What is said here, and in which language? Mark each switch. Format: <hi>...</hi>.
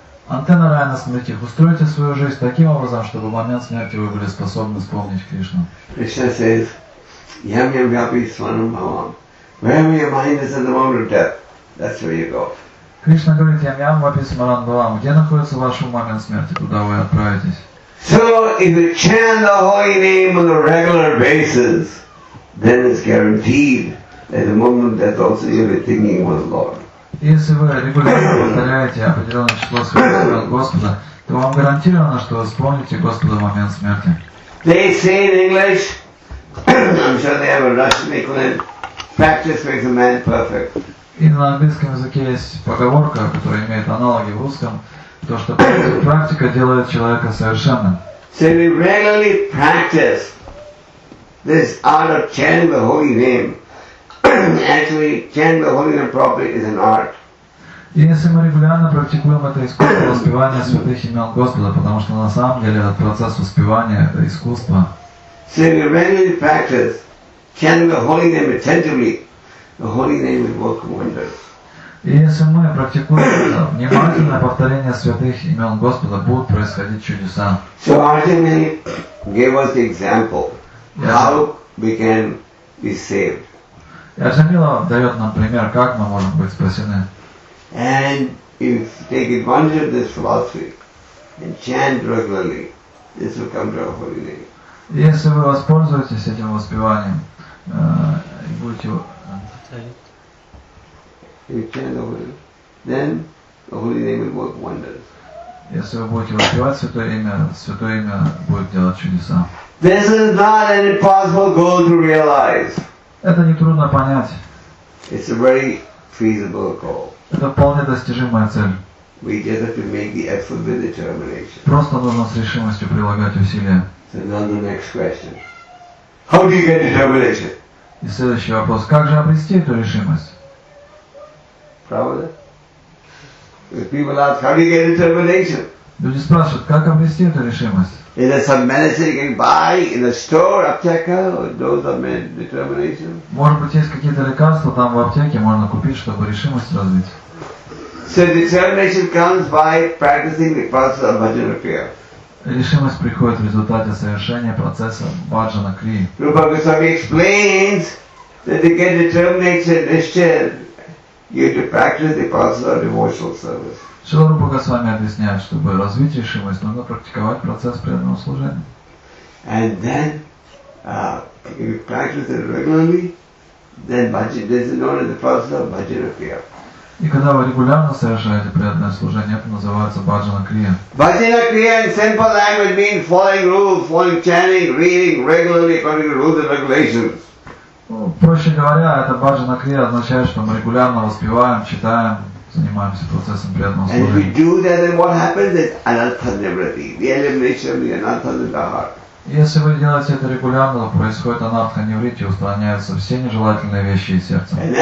<sa>Антенна Райана Смритих,</sa> <ru>устройте свою жизнь таким образом, чтобы в момент смерти вы были способны вспомнить Кришну.</ru> <sa>Кришна says, Yam Yam Vyapi Svanam Bhavam.</sa> <en>Wherever your mind is in the moment of death, that's where you go.</en> <ru>Кришна говорит,</ru> <sa>Yam Yam Vyapi Svanam Bhavam.</sa> <ru>Где находится ваш ум в момент смерти, куда вы отправитесь?</ru> <en>So, if you chant the holy name on a regular basis, then it's guaranteed that the moment of death also you'll be thinking of the Lord.</en> <ru>Если вы регулярно повторяете определенное число своего имен Господа, то вам гарантировано, что вы вспомните Господа в момент смерти.</ru> <en>They say in English, I'm sure they have a Russian equivalent, practice makes a man perfect.</en> <ru>И на английском языке есть поговорка, которая имеет аналоги в русском, то что практика делает человека совершенным.</ru> <en>So we regularly practice this art of chanting the holy name. Actually, chanting the holy name properly is an art.</en> <ru>Если мы регулярно практикуем это искусство воспевания святых имен Господа, потому что на самом деле этот процесс воспевания это искусство.</ru> <en>So if you regularly practice chanting the holy name attentively, the holy name will work wonders.</en> <ru>И если мы практикуем это внимательное повторение святых имен Господа, будут происходить чудеса.</ru> <en>So Arjuna gave us the example how we can be saved.</en> <ru>Ашамила дает нам пример, как мы можем быть спасены.</ru> <en>And if you take advantage of this philosophy and chant regularly, this will come to our holy name.</en> <ru>Если вы воспользуетесь этим воспеванием и будете</ru> <en>chant the holy name, then the holy name will work wonders.</en> <ru>Если вы будете воспевать святое имя будет делать чудеса.</ru> <en>This is not an impossible goal to realize.</en> <ru>Это не трудно понять.</ru> <en>It's a very feasible goal.</en> <ru>Это вполне достижимая цель.</ru> <en>We just have to make the effort with determination.</en> <ru>Просто нужно с решимостью прилагать усилия.</ru> <en>So now the next question. How do you get determination?</en> <ru>И следующий вопрос. Как же обрести эту решимость? Правда?</ru> <en>If people ask, how do you get determination?</en> <ru>Люди спрашивают, как обрести эту решимость?</ru> <en>Is there some medicine you can buy in the store, аптека, or dose of determination?</en> <ru>Может быть, есть какие-то лекарства там в аптеке, можно купить, чтобы решимость развить.</ru> <en>So determination comes by practicing the process of bhajana kriya.</en> <ru>Решимость приходит в результате совершения процесса bhajana kriya.</ru> <en>Rupa Goswami explains that to get determination, nishchaya, you have to practice the process of devotional service.</en> <ru>Шрила Рупа Госвами объясняет, чтобы развить решимость, нужно практиковать процесс преданного служения.</ru> <en>And then, if you practice it regularly, then this is known as the process of bhajana kriya.</en> <ru>И когда вы регулярно совершаете преданное служение, это называется bhajana kriya.</ru> <en>Bhajana kriya in simple language means following rules, following chanting, reading regularly according to rules and regulations.</en> <ru>Проще говоря, это bhajana kriya означает, что мы регулярно воспеваем, читаем, занимаемся процессом приятного служения.</ru> <en>And if we do that, then what happens is anatta nivritti, the elimination of the anatta in the heart.</en> <ru>Если вы делаете это регулярно, происходит анатха невритти, устраняются все нежелательные вещи из сердца.</ru>